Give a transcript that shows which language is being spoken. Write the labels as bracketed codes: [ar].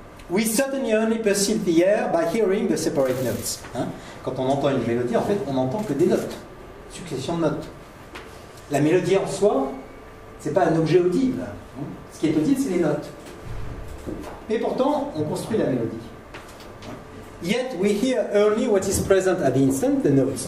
[en] We certainly only perceive the air by hearing the separate notes. [fr] Hein? » Quand on entend une mélodie, en fait, on n'entend que des notes, succession de notes. La mélodie en soi, ce n'est pas un objet audible. Ce qui est audible, c'est les notes. Mais pourtant, on construit la mélodie. [en] Yet we hear only what is present at the instant, the notes.